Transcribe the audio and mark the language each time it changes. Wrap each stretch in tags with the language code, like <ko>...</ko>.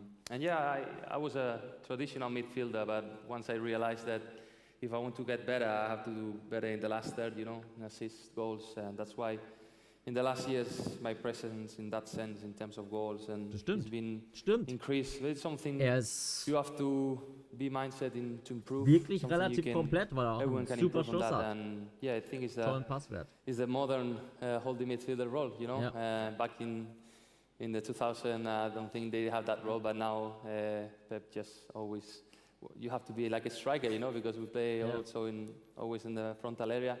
<en>And yeah, I was a traditional midfielder, but once I realized that if I want to get better, I have to do better in the last third, you know, assists, goals, and that's why In the last years, my presence in that sense, in terms of goals, and it's been increased. It's something you have to be mindset in to improve.</en> <de>Wirklich relativ komplett, weil er auch einen super Schuss hat.</de> <en>And yeah, I think it's a modern holding midfielder role. You know, back in the 2000, I don't think they have that role, but now Pep just always. You have to be like a striker, you know, because we play also in always in the frontal area.</en>